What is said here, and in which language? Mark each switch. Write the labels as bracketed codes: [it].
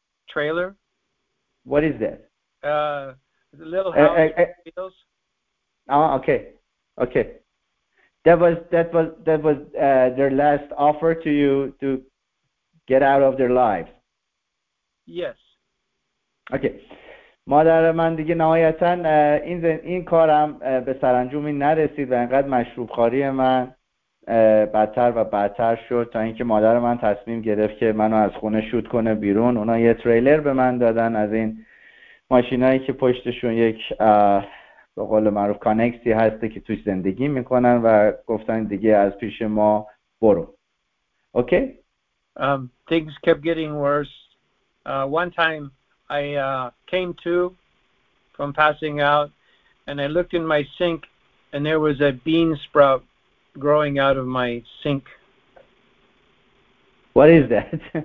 [en] Trailer. What is that? A little house. Okay. Okay. That was their last offer to you to get out of their lives. Yes. Okay. [fa] مادر من دیگه نهایتاً این کارم به سرانجامی نرسید و انقدر مشروب خوری من بدتر و بدتر شد تا اینکه مادر من تصمیم گرفت که منو از خونه شوت کنه بیرون. اونا یه تریلر به من دادن از این ماشینایی که پشتشون یک به قول معروف کانکسی هست که توش زندگی میکنن و گفتن دیگه از پیش ما برو. [en] Okay? Things kept getting worse. One time I came to from passing out, and I looked in my sink, and there was a bean sprout growing out of my sink. What is that?